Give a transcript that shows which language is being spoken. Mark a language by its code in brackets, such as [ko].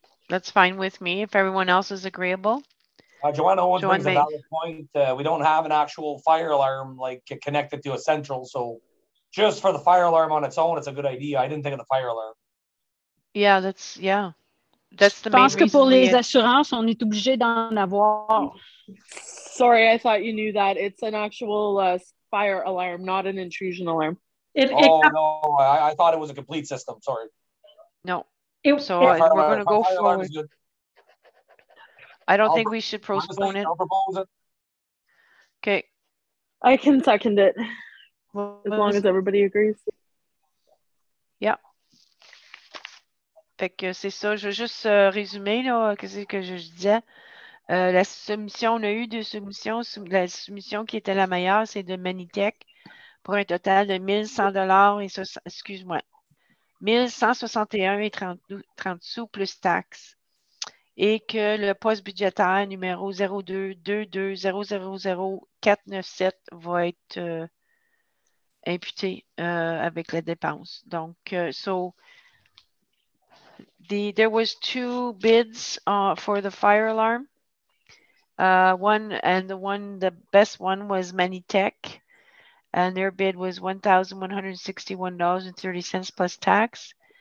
[en] That's fine with me if everyone else is agreeable. Joanna brings a valid point. We don't have an actual fire alarm like connected to a central. So just for the fire alarm on its own, it's a good idea. I didn't think of the fire alarm. That's the main [fr] reason. Je pense que pour les assurances, on est obligé d'en avoir. [en] Sorry, I thought you knew that. It's an actual fire alarm, not an intrusion alarm. I thought it was a complete system. Sorry. No. We're going to go forward. I don't think we should postpone it. I'll propose it. Okay. I can second it as long as everybody agrees. [fr] Yeah. Fait que c'est ça. Je vais juste résumer là, qu'est-ce que je disais. La soumission, on a eu deux soumissions. La soumission qui était la meilleure, c'est de Manitech pour un total de 1161,30 sous plus taxes. Et que le poste budgétaire numéro 02-22-000-497 va être imputé avec la dépense. [en] Donc, there was two bids for the fire alarm. The best one was Manitech, and their bid was $1,161.30 plus tax.